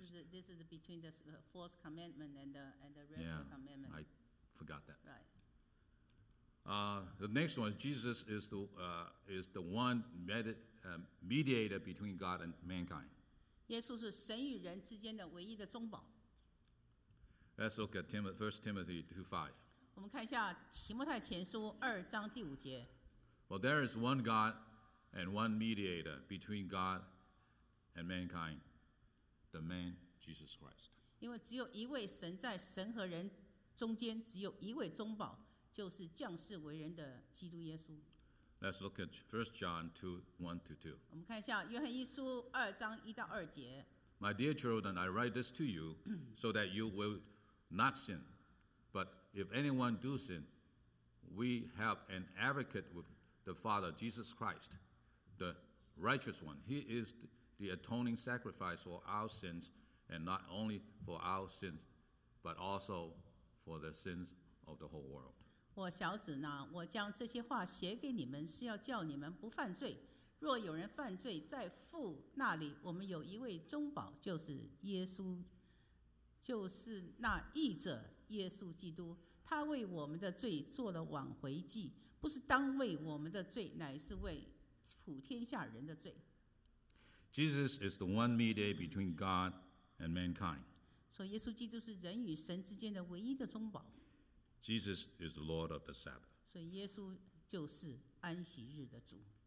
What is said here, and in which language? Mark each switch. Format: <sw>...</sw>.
<en>This is between the fourth commandment and the rest of the commandment. Yeah, I forgot that. Right. The next one, Jesus is the one mediator between God and mankind.</en> <zh>耶稣是神与人之间的唯一的中保。</zh> <en>Let's look at First Timothy 2:5.</en> <zh>我们看一下提摩太前书二章第五节。</zh> <en>Well, there is one God and one mediator between God. And mankind, the man Jesus Christ.</en> <zh>因为只有一位神在神和人中间，只有一位中保，就是降世为人的基督耶稣。</zh> <en>Let's look at First John 2:1-2.</en> <zh>我们看一下约翰一书二章一到二节。</zh> <en>My dear children, I write this to you so that you will not sin. But if anyone do sin, we have an advocate with the Father, Jesus Christ, the righteous one. He is the atoning sacrifice for our sins, and not only for our sins, but also for the sins of the whole world.</en> <zh>我小子呢，我将这些话写给你们，是要叫你们不犯罪。若有人犯罪，在父那里，我们有一位中保，就是耶稣，就是那义者耶稣基督。他为我们的罪做了挽回祭，不是当为我们的罪，乃是为普天下人的罪。</zh> <en>Jesus is the one mediator between God and mankind.</en> <zh>So, 耶稣基督是人与神之间的唯一的中保。</zh> <en>Jesus is the Lord of the Sabbath.</en> <zh>所以耶稣就是安息日的主。</zh>